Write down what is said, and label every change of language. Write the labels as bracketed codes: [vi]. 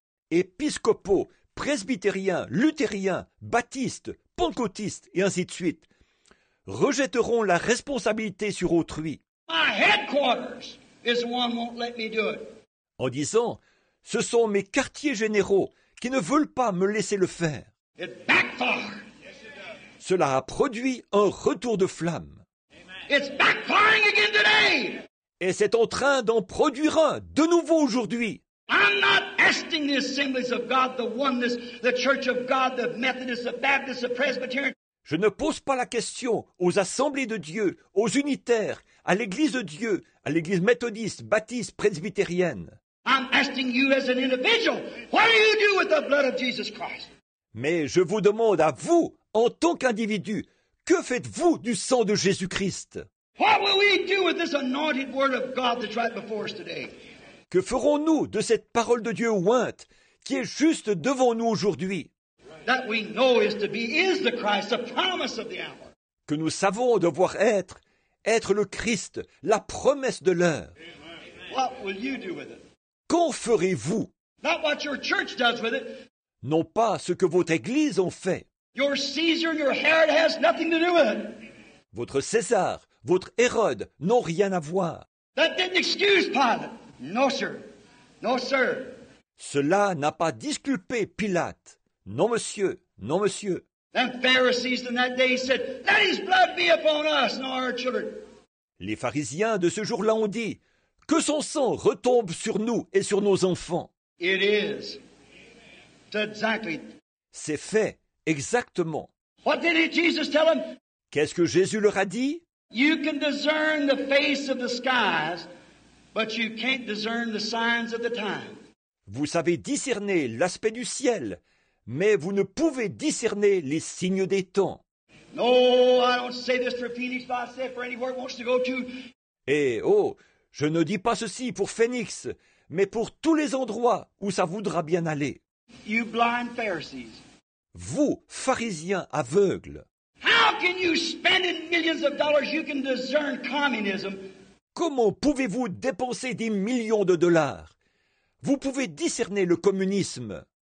[fr] Épiscopaux, presbytériens, luthériens, baptistes, pentecôtistes et ainsi de suite rejetteront la responsabilité sur autrui. [en] My headquarters is the one won't let me do it. [fr] En disant, ce sont mes quartiers généraux qui ne veulent pas me laisser le faire. [en] It backfired. Yes, it does. [fr] Cela a produit un retour de flamme. [en] Amen. It's backfiring again today. [fr] Et c'est en train d'en produire un de nouveau aujourd'hui. [en] I'm not asking the assemblies of God, the oneness, the church of God, the Methodists, the Baptists, the Presbyterians. [fr] Je ne pose pas la question aux assemblées de Dieu, aux unitaires, à l'église de Dieu, à l'église méthodiste, baptiste, presbytérienne. [en] I'm asking you as an individual, what do you do with the blood of Jesus Christ? [fr] Mais je vous demande à vous, en tant qu'individu, que faites-vous du sang de Jésus-Christ? [en] What will we do with this anointed word of God that's right before us today? [fr] Que ferons-nous de cette parole de Dieu ointe qui est juste devant nous aujourd'hui? [en] That we know is to be is the Christ, the promise of the hour. [fr] Que nous savons devoir être le Christ, la promesse de l'heure. [en] Amen. What will you do with it? [fr] Qu'en ferez-vous? [en] Not what your church does with it. [fr] Non pas ce que votre église en fait. [en] Your Caesar, your Herod has nothing to do with it. [fr] Votre César, votre Hérode n'ont rien à voir. [en] That didn't excuse Pilate. No, sir. No, sir. [fr] Cela n'a pas disculpé Pilate. Non, monsieur. Non, monsieur. [en] And Pharisees in that day said, let his blood be upon us and our children. [fr] Les pharisiens de ce jour-là ont dit, que son sang retombe sur nous et sur nos enfants. [en] It is. Exactly. [fr] C'est fait. Exactement. [en] What did Jesus tell them? [fr] Qu'est-ce que Jésus leur a dit? [en] You can discern the face of the skies. But you can't discern the signs of the time. [fr] Vous savez discerner l'aspect du ciel, mais vous ne pouvez discerner les signes des temps. [en] No, I don't say this for Phoenix, but I say for anywhere it wants to go to. [fr] Et oh, je ne dis pas ceci pour Phoenix, mais pour tous les endroits où ça voudra bien aller. [en] You blind Pharisees. [fr] Vous, pharisiens aveugles. [en] How can you spend millions of dollars you can discern communism? [fr] Comment pouvez-vous dépenser des millions de dollars? Vous pouvez discerner le communisme.